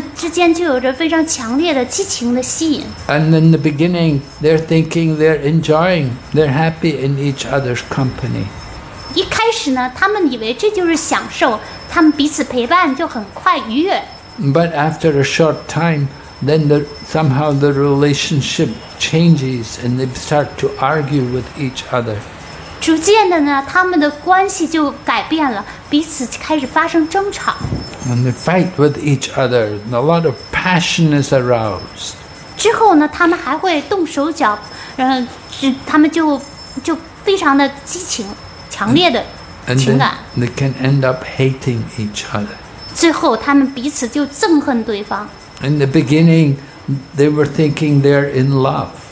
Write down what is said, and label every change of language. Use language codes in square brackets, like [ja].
[zh] 年轻的男女，年轻的异性之间呢，他们之间就有着非常强烈的激情的吸引。 [en] And in the beginning, they're thinking, they're enjoying, they're happy in each other's company. [zh] 一开始呢，他们以为这就是享受，他们彼此陪伴就很快愉悦。 [en] But after a short time, then somehow the relationship changes and they start to argue with each other. [zh] 逐渐的呢，他们的关系就改变了，彼此开始发生争吵。 [en] And they fight with each other, and a lot of passion is aroused. [zh] 之后呢，他们还会动手脚，他们就非常的激情。 [en] And they can end up hating each other. [zh] 最后，他们彼此就憎恨对方。 [en] In the beginning, they were thinking they're in love.